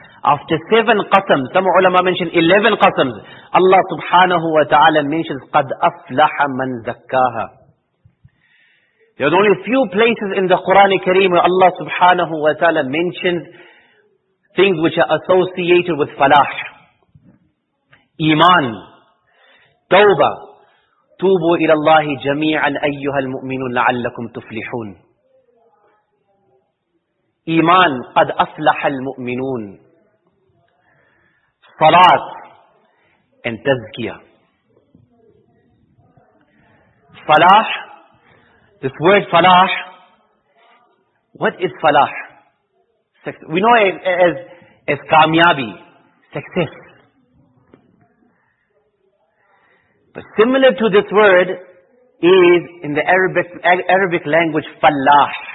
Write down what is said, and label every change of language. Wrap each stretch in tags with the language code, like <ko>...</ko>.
<en>After 7 qasams, some ulama mentioned 11 qasams, Allah subhanahu wa ta'ala mentions</en> <ar>قَدْ أَفْلَحَ مَنْ زَكَّاهَا.</ar> <en>There are only a few places in the Quran Kareem where Allah subhanahu wa ta'ala mentions things which are associated with falah. Iman, tawbah,</en> <ar>توبوا إلى الله جميعا أيها المؤمنون لعلكم تفلحون. إيمان قد أفلح المؤمنون. صلاة and تزكية.</ar> <en>صلاح, this word صلاح, what is صلاح? We know it as kamyabi, success. But similar to this word is in the Arabic language falah.</en>